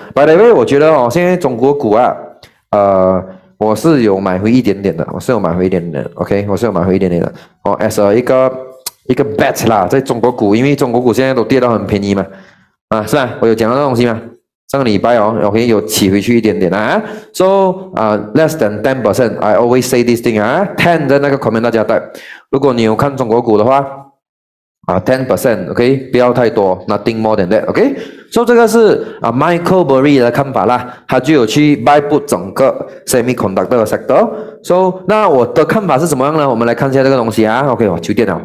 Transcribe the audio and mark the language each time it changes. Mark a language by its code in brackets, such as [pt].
[zh] By the way， 我觉得哦，现在中国股啊，我是有买回一点点的，OK， 我是有买回一点点的。哦 ，as a 一个 bet 啦，在中国股，因为中国股现在都跌到很便宜嘛，啊，是吧？我有讲到这东西吗？上个礼拜哦 ，OK， 有起回去一点点啊。 [en] So 啊、less than 10%， I always say this thing 啊 ，10 [zh] 在那个 comment 大家带。如果你有看中国股的话，啊 ，10%， OK， 不要太多 ，nothing more than that， OK。所以这个是啊 ，Michael Burry 的看法啦，他就有去 buy put 整个 semiconductor sector。所以那我的看法是怎么样呢？我们来看一下这个东西啊。OK， 我九点了。